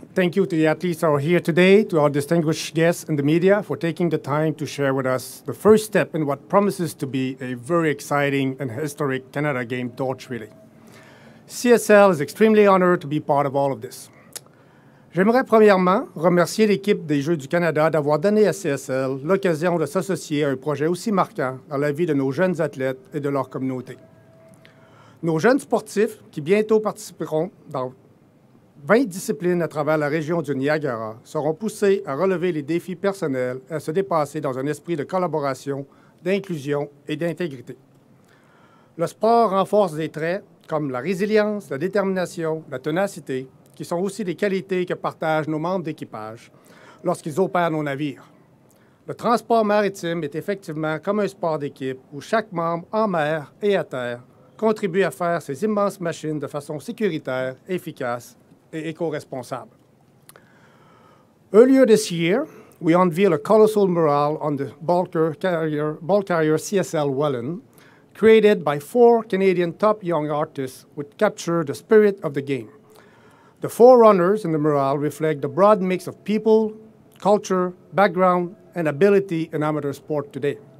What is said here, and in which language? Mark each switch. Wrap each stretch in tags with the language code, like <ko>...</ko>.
<en>Thank you to the athletes who are here today, to our distinguished guests in the media for taking the time to share with us the first step in what promises to be a very exciting and historic Canada Game torch relay. CSL is extremely honored to be part of all of this.</en> <fr>J'aimerais premièrement remercier l'équipe des Jeux du Canada d'avoir donné à CSL l'occasion de s'associer à un projet aussi marquant dans la vie de nos jeunes athlètes et de leur communauté. Nos jeunes sportifs, qui bientôt participeront dans 20 disciplines à travers la région du Niagara, seront poussés à relever les défis personnels et à se dépasser dans un esprit de collaboration, d'inclusion et d'intégrité. Le sport renforce des traits comme la résilience, la détermination, la ténacité, qui sont aussi des qualités que partagent nos membres d'équipage lorsqu'ils opèrent nos navires. Le transport maritime est effectivement comme un sport d'équipe où chaque membre, en mer et à terre, contribue à faire ces immenses machines de façon sécuritaire, efficace et éco-responsable.</fr> <en>Earlier this year, we unveiled a colossal mural on the bulk carrier CSL Welland, created by four Canadian top young artists which capture the spirit of the game. The four runners in the mural reflect the broad mix of people, culture, background, and ability in amateur sport today.</en>